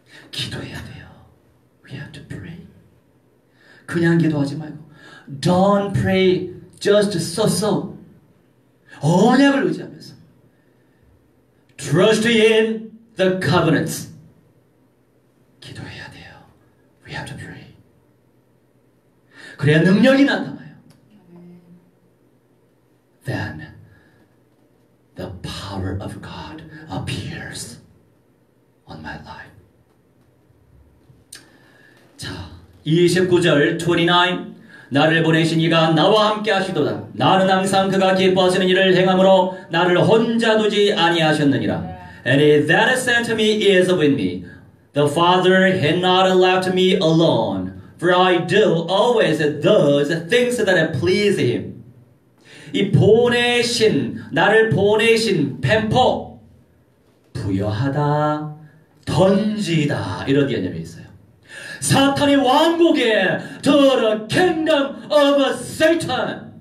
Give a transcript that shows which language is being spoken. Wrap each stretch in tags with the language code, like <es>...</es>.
<ko>기도해야 돼요.</ko> <en>We have to pray.</en> <ko>그냥 기도하지 말고</ko> <en>Don't pray just so-so.</en> <ko>언약을 의지하면서</ko> <en>Trust in the covenants.</en> <ko>기도해야 돼요.</ko> <en>We have to pray.</en> <ko>그래야 능력이 나타나요.</ko> <en>Then the power of God appears on my life.</en> <ko>자 29절 29 나를 보내신 이가 나와 함께 하시도다. 나는 항상 그가 기뻐하시는 일을 행함으로 나를 혼자 두지 아니하셨느니라.</ko> <en>And he that sent me is with me. The Father had not left me alone. For I do always those things that please him.</en> <ko>이 보내신 나를 보내신 펜포 부여하다 더 던지다 이런 개념이 있어요. 사탄의 왕국에</ko> <en>to the kingdom of Satan.</en>